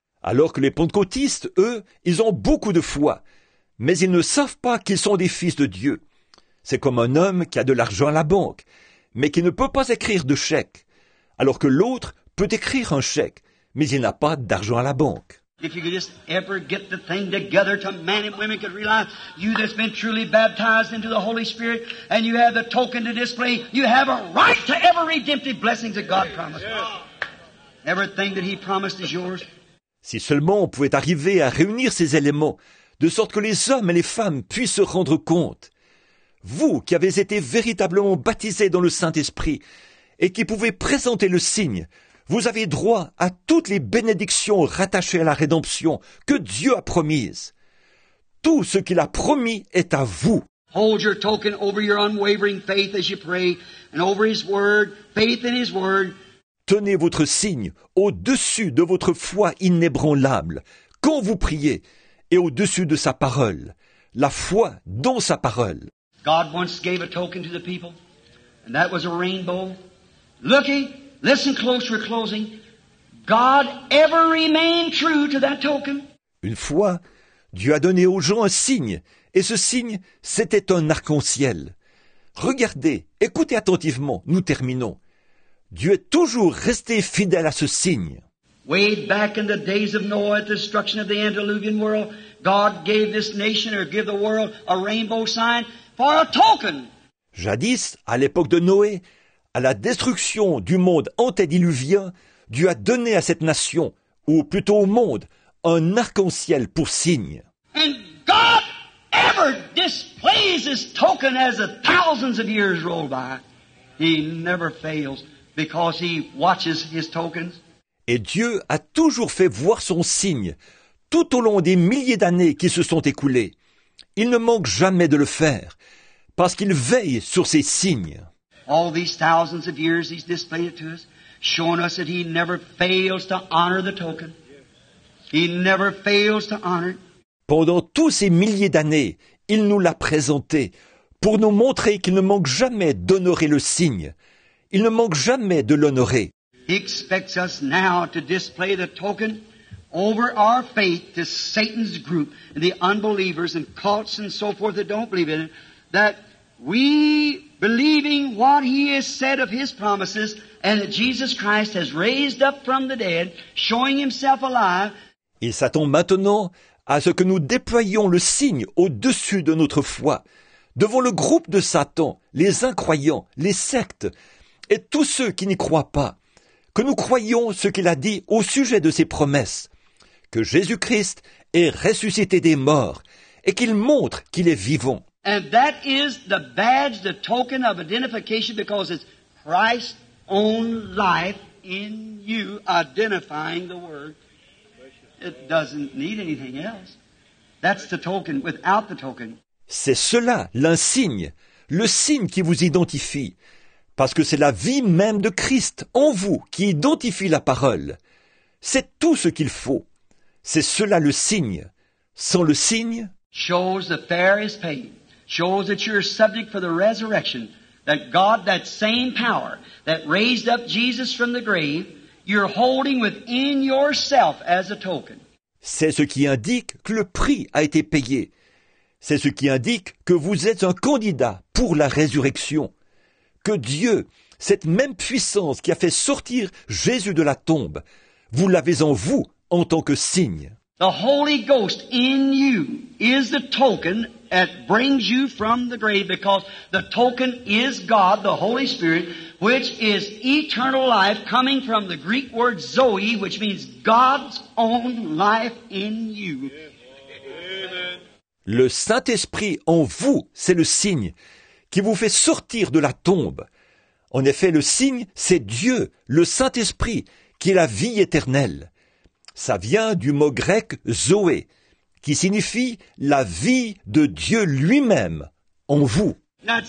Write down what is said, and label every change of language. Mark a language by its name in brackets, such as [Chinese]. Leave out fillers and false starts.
[French] Alors que les pentecôtistes, eux, ils ont beaucoup de foi, mais ils ne savent pas qu'ils sont des fils de Dieu. C'est comme un homme qui a de l'argent à la banque, mais qui ne peut pas écrire de chèque, alors que l'autre peut écrire un chèque, mais il n'a pas d'argent à la banque. [English] If you could just ever get the thing together to man and women could realize you that's been truly baptized into the Holy Spirit and you have the token to display, you have a right to every redemptive blessings that God promised. Everything that He promised is yours. [French] Si seulement on pouvait arriver à réunir ces éléments, de sorte que les hommes et les femmes puissent se rendre compte. Vous qui avez été véritablement baptisés dans le Saint-Esprit et qui pouvez présenter le signe, vous avez droit à toutes les bénédictions rattachées à la rédemption que Dieu a promises. Tout ce qu'il a promis est à vous. [English] Hold your token over your unwavering faith as you pray, and over His word, faith in His word. [French] Tenez votre signe au-dessus de votre foi inébranlable quand vous priez et au-dessus de sa parole, la foi dans sa parole. [English] God once gave a token to the people. And that was a rainbow. Looking, listen close, we're closing. God ever remained true to that token. [French] Une fois, Dieu a donné aux gens un signe, et ce signe, c'était un arc-en-ciel. Regardez, écoutez attentivement, nous terminons. Dieu est toujours resté fidèle à ce signe. [English] Way back in the days of Noah, at the destruction of the antediluvian world, God gave this nation or gave the world a rainbow sign for a token. [French] Jadis, à l'époque de Noé, à la destruction du monde antédiluvien, Dieu a donné à cette nation, ou plutôt au monde, un arc-en-ciel pour signe. [English] And God ever displays his token as the thousands of years roll by. He never fails because he watches his tokens. [French] Et Dieu a toujours fait voir son signe tout au long des milliers d'années qui se sont écoulées. Il ne manque jamais de le faire parce qu'il veille sur ses signes. [English] All these thousands of years he's displayed it to us, showing us that he never fails to honor the token. He never fails to honor. [French] Pendant tous ces milliers d'années, il nous l'a présenté pour nous montrer qu'il ne manque jamais d'honorer le signe. Il ne manque jamais de l'honorer. [English] He expects us now to display the token over our faith to Satan's group and the unbelievers and cults and so forth that don't believe in it, that we, believing what he has said of his promises and that Jesus Christ has raised up from the dead, showing himself alive. [French] Il s'attend maintenant à ce que nous déployions le signe au-dessus de notre foi, devant le groupe de Satan, les incroyants, les sectes et tous ceux qui n'y croient pas, que nous croyions ce qu'il a dit au sujet de ses promesses, que Jésus-Christ est ressuscité des morts et qu'il montre qu'il est vivant. [English] And that is the badge, the token of identification, because it's Christ's own life in you identifying the word. It doesn't need anything else. That's the token without the token. [French] C'est cela, l'insigne, le signe qui vous identifie. Parce que c'est la vie même de Christ en vous qui identifie la parole. C'est tout ce qu'il faut. C'est cela le signe. Sans le signe, [English] shows the fare is paid. Shows that you're subject for the resurrection. That God, that same power that raised up Jesus from the grave, you're holding within yourself as a token. [French] C'est ce qui indique que le prix a été payé. C'est ce qui indique que vous êtes un candidat pour la résurrection. Que Dieu, cette même puissance qui a fait sortir Jésus de la tombe, vous l'avez en vous en tant que signe. [English] The Holy Ghost in you is the token that brings you from the grave, because the token is God, the Holy Spirit, which is eternal life coming from the Greek word Zoe, which means God's own life in you. [French] Le Saint-Esprit en vous, c'est le signe qui vous fait sortir de la tombe. En effet, le signe, c'est Dieu, le Saint-Esprit, qui est la vie éternelle. Ça vient du mot grec « zoé », qui signifie « la vie de Dieu lui-même en vous ».